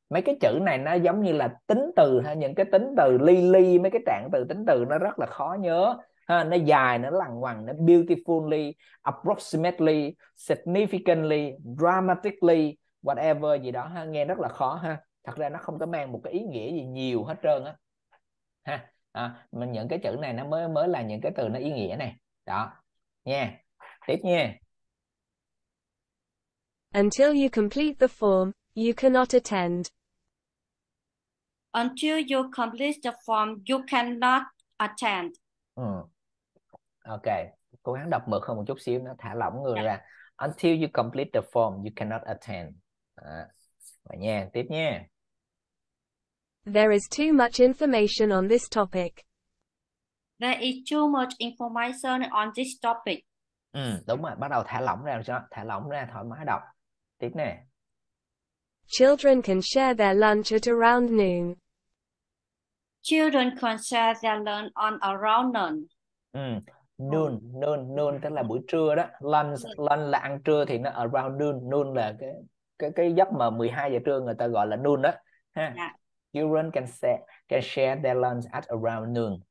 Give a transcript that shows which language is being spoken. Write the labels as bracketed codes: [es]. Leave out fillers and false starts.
[vi] Mấy cái chữ này nó giống như là tính từ ha, những cái tính từ li li, mấy cái trạng từ tính từ nó rất là khó nhớ ha, nó dài, nó lằng ngoằng, nó beautifully, approximately, significantly, dramatically, whatever gì đó ha, nghe rất là khó ha. Thật ra nó không có mang một cái ý nghĩa gì nhiều hết trơn á ha. Mình những cái chữ này nó mới mới là những cái từ nó ý nghĩa này đó nha. Tiếp nha. [en] Until you complete the form, you cannot attend. Until you complete the form, you cannot attend. [vi] Ok, cố gắng đọc mượt hơn một chút xíu, nó thả lỏng người ra. [en] Until you complete the form, you cannot attend. [vi] Vậy nha, tiếp nha. [en] There is too much information on this topic. There is too much information on this topic. [vi] Đúng rồi, bắt đầu thả lỏng ra cho, thả lỏng ra thoải mái đọc. Tiếp nè. [en] Children can share their lunch at around noon. Children can share their lunch on around noon. [vi] Noon, noon, noon tức là buổi trưa đó. Lunch, lunch là ăn trưa thì nó [en] around noon. [vi] Noon là cái giấc mà 12 giờ trưa người ta gọi là noon đó. Ha. [en] Children can share their lunch at around noon.